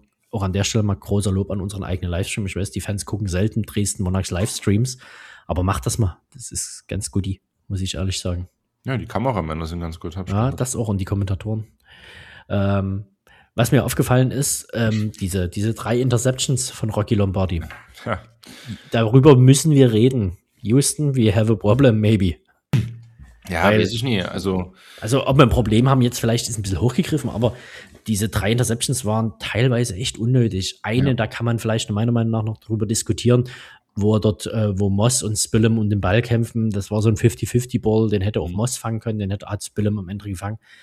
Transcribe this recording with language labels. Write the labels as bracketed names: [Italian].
[German] Auch an der Stelle mal großer Lob an unseren eigenen Livestream. Ich weiß, die Fans gucken selten Dresden Monarchs Livestreams. Aber mach das mal. Das ist ganz gut, muss ich ehrlich sagen. Ja, die Kameramänner sind ganz gut. Ja, das auch und die Kommentatoren. Was mir aufgefallen ist, diese drei Interceptions von Rocky Lombardi. Ja. Darüber müssen wir reden. [English] Houston, we have a problem, maybe. [German] Ja, weiß ich nie. Also, ob wir ein Problem haben, jetzt vielleicht ist ein bisschen hochgegriffen, aber diese drei Interceptions waren teilweise echt unnötig. Eine, ja. Da kann man vielleicht meiner Meinung nach noch drüber diskutieren, wo Moss und Spillem um den Ball kämpfen. Das war so ein 50-50-Ball, den hätte auch Moss fangen können, den hätte auch Spillem am Ende gefangen.